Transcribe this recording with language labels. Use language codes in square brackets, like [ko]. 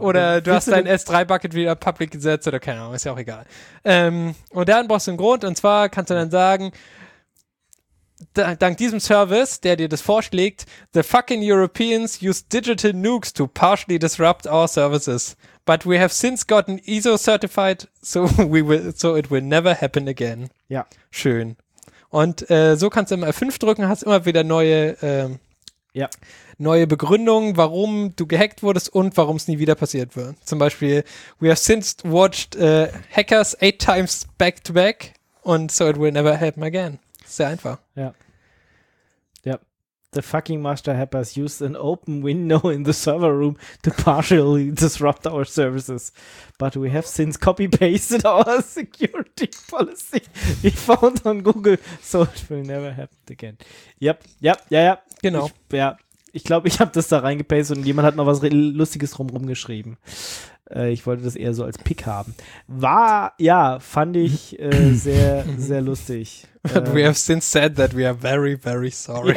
[de] Oder du hast dein S3-Bucket wieder public gesetzt oder keine Ahnung, ist ja auch egal. Und dann brauchst du einen Grund, und zwar kannst du dann sagen, dank diesem Service, der dir das vorschlägt, [en] the fucking Europeans use digital nukes to partially disrupt our services. But we have since gotten ISO certified, so it will never happen again. [de] Ja. Schön. Und so kannst du immer F5 drücken, hast immer wieder neue Begründungen, warum du gehackt wurdest und warum es nie wieder passiert wird. Zum Beispiel, [en] we have since watched hackers 8 times back to back und so it will never happen again. [de] Sehr einfach. Ja. Ja. [en] The fucking master hackers used an open window in the server room to partially disrupt our services. But we have since copy-pasted our security policy. We found on Google, so it will never happen again. Yep. Yep. Ja, ja. [de] Genau. Ja. Ich glaube, ich habe das da reingepastet und jemand hat noch was Lustiges rumrum geschrieben. Ich wollte das eher so als Pick haben. War, ja, fand ich sehr, sehr lustig. [en] But we have since said that we are very, very sorry.